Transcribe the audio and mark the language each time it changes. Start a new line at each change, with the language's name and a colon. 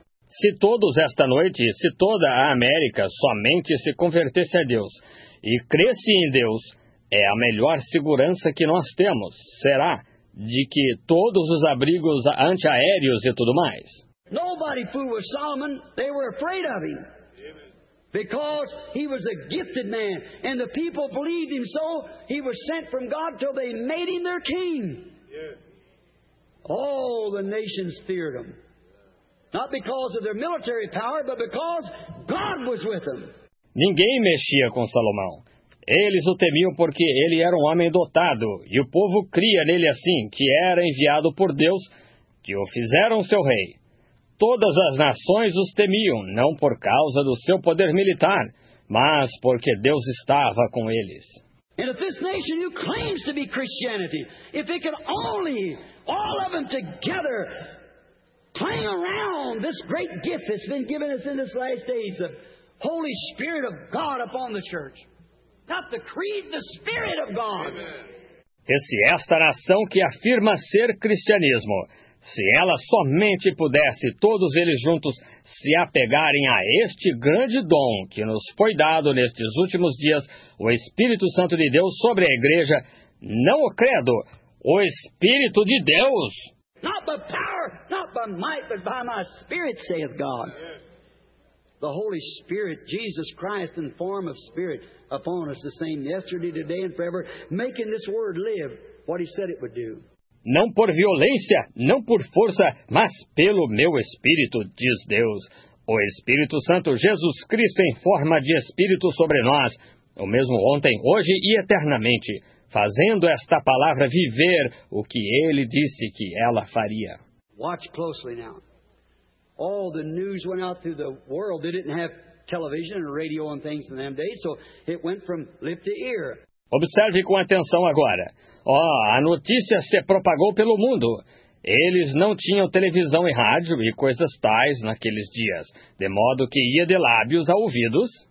Portuguese: Se todos esta noite, se toda a América somente se convertesse a Deus e cresse em Deus, é a melhor segurança que nós temos, será, de que todos os abrigos antiaéreos e tudo mais.
English: Nobody fooled with Solomon, they were afraid of him. Because he was a gifted man, and the people believed him so, he was sent from God till they made him their king. Yes. All the nations feared him. Not because of their military power, but because God was with them.
Portuguese: Ninguém mexia com Salomão. Eles o temiam porque ele era um homem dotado, e o povo cria nele assim, que era enviado por Deus, que o fizeram seu rei. Todas as nações os temiam, não por causa do seu poder militar, mas porque Deus estava com eles.
English: And if this nation who claims to be Christianity, if it could only, all of them together, play around this great gift that's been given us in this last days, the Holy Spirit of God upon the church. Not the creed, the Spirit of God.
Portuguese: E se esta nação que afirma ser cristianismo, se ela somente pudesse, todos eles juntos, se apegarem a este grande dom que nos foi dado nestes últimos dias, o Espírito Santo de Deus sobre a igreja, não o credo, o Espírito de Deus.
English: Not by power, not by might, but by my Spirit, saith God. The Holy Spirit, Jesus Christ, in form of Spirit, upon us the same yesterday, today, and forever, making this word live what he said it would do.
Portuguese: Não por violência, não por força, mas pelo meu Espírito, diz Deus. O Espírito Santo, Jesus Cristo, em forma de Espírito sobre nós, o mesmo ontem, hoje e eternamente, fazendo esta palavra viver o que ele disse que ela faria.
English: Watch closely now. All the news went out through the world. They didn't have television and radio and things in them days, so it went from lip to ear.
Portuguese: Observe com atenção agora. Oh, a notícia se propagou pelo mundo. Eles não tinham televisão e rádio e coisas tais naqueles dias, de modo que ia de lábios a ouvidos.